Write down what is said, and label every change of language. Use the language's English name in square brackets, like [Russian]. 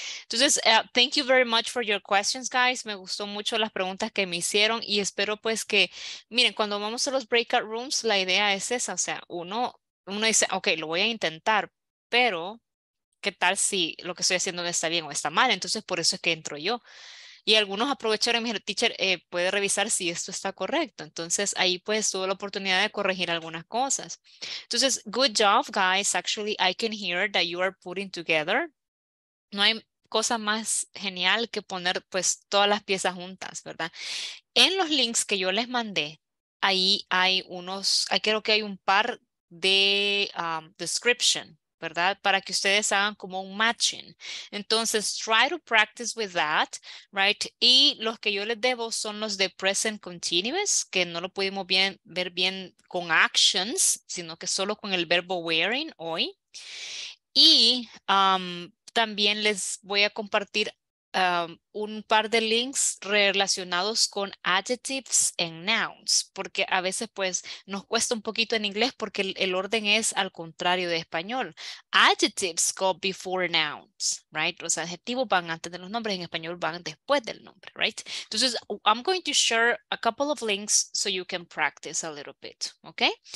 [Spanish] Entonces, [English] thank you very much for your questions, guys. [Spanish] Me gustó mucho las preguntas que me hicieron y espero pues que, miren, cuando vamos a los breakout rooms, la idea es esa, o sea, uno dice, ok, lo voy a intentar, pero ¿qué tal si lo que estoy haciendo no está bien o está mal? Entonces por eso es que entro yo. Y algunos aprovecharon y me dijeron, teacher, puede revisar si esto está correcto. Entonces, ahí pues tuve la oportunidad de corregir algunas cosas. Entonces, [English] good job, guys. Actually, I can hear that you are putting together. [Spanish] No hay cosa más genial que poner pues todas las piezas juntas, ¿verdad? En los links que yo les mandé, ahí hay unos, creo que hay un par de description, ¿verdad? Para que ustedes hagan como un matching. Entonces, [English] try to practice with that, right? [Spanish] Y los que yo les debo son los de present continuous, que no lo pudimos bien, ver bien con actions, sino que solo con el verbo wearing hoy. Y también les voy a compartir un par de links relacionados con adjectives and nouns, porque a veces pues nos cuesta un poquito en inglés porque el orden es al contrario de español. [English] Adjectives go before nouns, right? [Spanish] Los adjetivos van antes de los nombres, en español van después del nombre, [English] right? [Spanish] Entonces, [English] I'm going to share a couple of links so you can practice a little bit, okay?